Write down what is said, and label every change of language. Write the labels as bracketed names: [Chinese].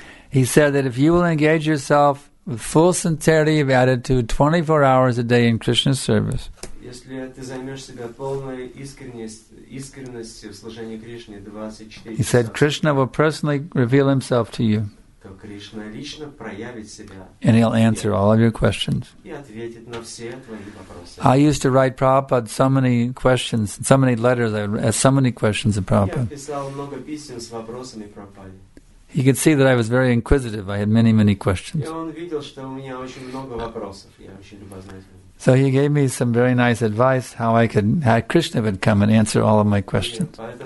[English] He said that if you will engage yourself with full sincerity of attitude 24 hours a day in Krishna's service, [Russian] если ты займешь себя полной искренностью в служении Кришне 24, [English] he said, Krishna will personally reveal himself to you. [Russian] То Кришна лично проявит себя. [English] And he'll answer all of your questions. [Russian] И ответит на все твои вопросы. [English] I used to write Prabhupada so many questions, so many letters, I had so many questions of Prabhupada. [Russian] Я писал много писем с вопросами Прабхупаде. [English] He could see that I was very inquisitive. I had many, many questions. [Russian] И он видел, что у меня очень много вопросов. Я очень любознательный. [English] So he gave me some very nice advice how I could, how Krishna would come and answer all of my questions.